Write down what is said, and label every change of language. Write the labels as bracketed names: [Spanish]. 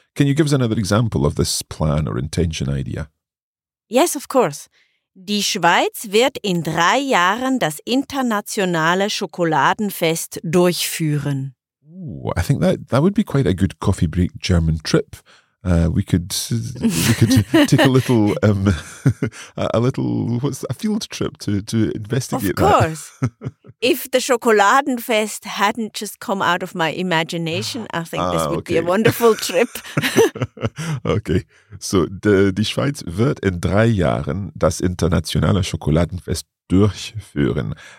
[English] Can you give us another example of this plan or intention idea? Yes, of course. [German] Die Schweiz wird in 3 Jahren das internationale Schokoladenfest durchführen. [English] Ooh, I think that would be quite a good coffee break German trip. We could take a little field trip to investigate that. Of course. If the Schokoladenfest hadn't just come out of my imagination, I think this would be a wonderful trip. Okay. [German] So, die Schweiz wird in 3 Jahren das internationale Schokoladenfest durchführen.